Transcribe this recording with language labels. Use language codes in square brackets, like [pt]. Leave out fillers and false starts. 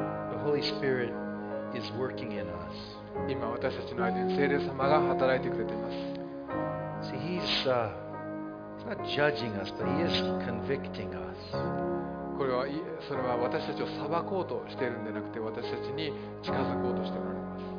[en] The Holy Spirit is working in us. [ja] 今私たちの間に聖霊様が働いてくれています。 [en] See, he's not judging us, but he is convicting us. [ja] これはそれは私たちを裁こうとしているんでなくて、私たちに近づこうとしております。